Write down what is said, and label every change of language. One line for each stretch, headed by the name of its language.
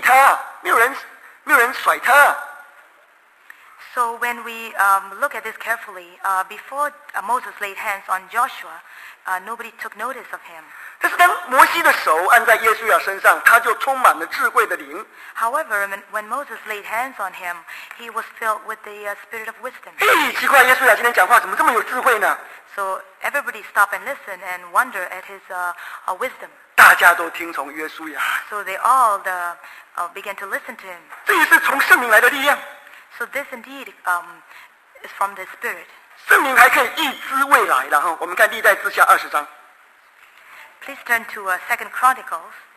Chinese: 嫩的儿子耶稣雅，因为摩西曾按手在他头上，就被智慧的灵充满，以色列人便听从他。我们仔细看这一节哦，这个好像摩西的手还没有按在耶稣雅身上哦，耶稣雅都没有人注意他，没有人甩他。
English: So when we look at this carefully, before Moses laid hands on Joshua, nobody took notice of him.
Chinese: 但是当摩西的手按在耶稣雅身上，他就充满了智慧的灵。
English: However, when Moses laid hands on him, he was filled with the spirit of wisdom.
Chinese: 咦，奇怪，耶稣雅今天讲话怎么这么有智慧呢？
English: So everybody stop and listen and wonder at his wisdom.
Chinese: 大家都听从耶稣雅。
English: So they all began to listen to him.
Chinese: 这也是从圣灵来的力量。
English: So this indeed is from the spirit.
Chinese: 圣灵还可以预知未来的哈，我们看历代志下20章。
English: Please turn to 2 Chronicles.